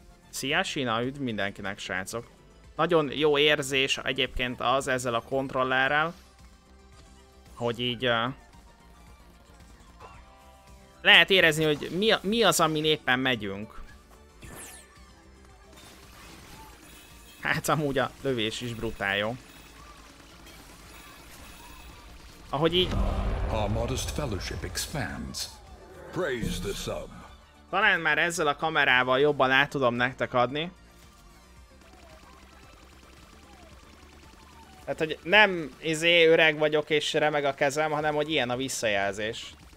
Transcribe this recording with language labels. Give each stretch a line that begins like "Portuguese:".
Hungarian: Szia, Sina, üdv mindenkinek, srácok. Nagyon jó érzés egyébként az ezzel a kontrollerrel, hogy így... lehet érezni, hogy mi az, amin éppen megyünk. Hát amúgy a lövés is brutál jó. Ahogy így...
English: Our modest fellowship expands. Praise the sub.
Hungarian: Talán már ezzel a kamerával jobban át tudom nektek adni. Tehát, hogy nem öreg vagyok és remeg a kezem, hanem hogy ilyen a visszajelzés.